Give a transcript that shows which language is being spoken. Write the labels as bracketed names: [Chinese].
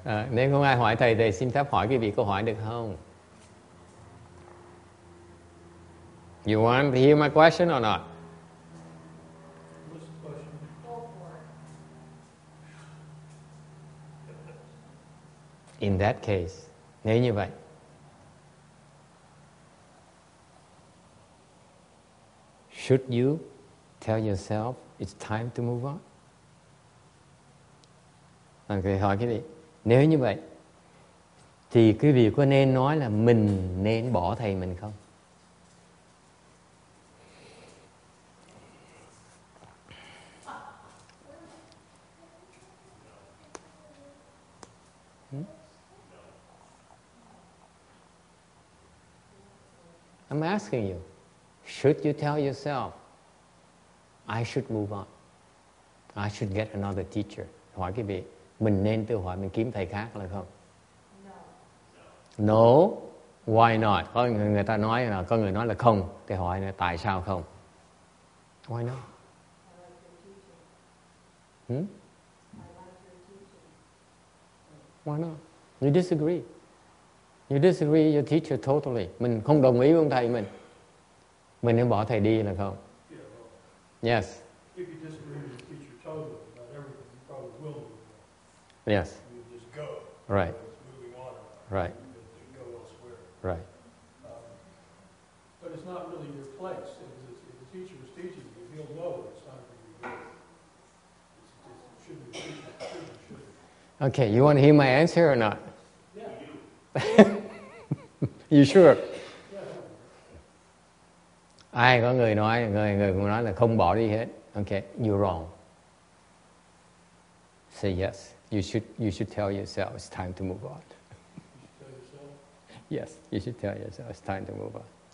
[Vietnamese] Nếu không ai hỏi thầy, thầy xin phép hỏi quý vị câu hỏi được không? [English] You want to hear my question or not? In that case, [Vietnamese] nếu như vậy, [English] Should you tell yourself it's time to move on? [Vietnamese] Ok, hỏi quý vị. Nếu như vậy, thì quý vị có nên nói là mình nên bỏ thầy mình không? [English] I'm asking you, should you tell yourself, I should move on, I should get another teacher? [Vietnamese] Hỏi quý vị, mình nên tự hỏi mình kiếm thầy khác là không? [English] No. No? Why not? [Vietnamese] Có người, người ta nói là, có người nói là không, thì hỏi là tại sao không? [English] Why not? I like your hmm? I like your why not? You disagree. You disagree with your teacher totally. [Vietnamese] Mình không đồng ý với ông thầy mình. Mình nên bỏ thầy đi là không? [English] Yeah, yes. If you disagree with your teacher totally about everything, you probably will move. Yes. You just go. Right. It's moving on. Right. You go elsewhere. Right. But it's not really your place. If the teacher is teaching you, he'll know it's time for you to go. It shouldn't be. Okay, you want to hear my answer or not? You sure? [Vietnamese] Ai có người nói, người cũng nói là không bỏ đi hết. [English] Okay, you're wrong. Say yes. You should tell yourself it's time to move on. Yes, you should tell yourself it's time to move on.